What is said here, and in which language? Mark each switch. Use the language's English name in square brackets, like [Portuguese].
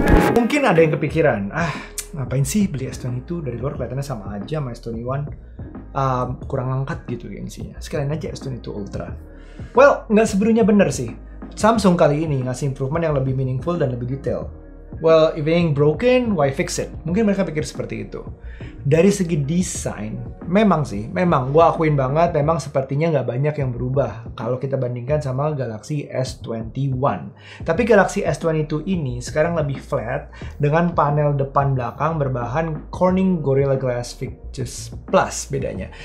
[Indonesian] Mungkin ada yang kepikiran, ngapain sih beli S22, dari luar kelihatannya sama aja sama S21, kurang lengkap gitu gengsinya, sekalian aja S22 Ultra. Well, nggak sebenarnya bener sih, Samsung kali ini ngasih improvement yang lebih meaningful dan lebih detail. [English] Well, if it ain't broken, why fix it? [Indonesian] Mungkin mereka pikir seperti itu. Dari segi desain, memang gue akuin banget, memang sepertinya nggak banyak yang berubah kalau kita bandingkan sama Galaxy S21. Tapi Galaxy S22 ini sekarang lebih flat dengan panel depan belakang berbahan Corning Gorilla Glass Victus Plus bedanya.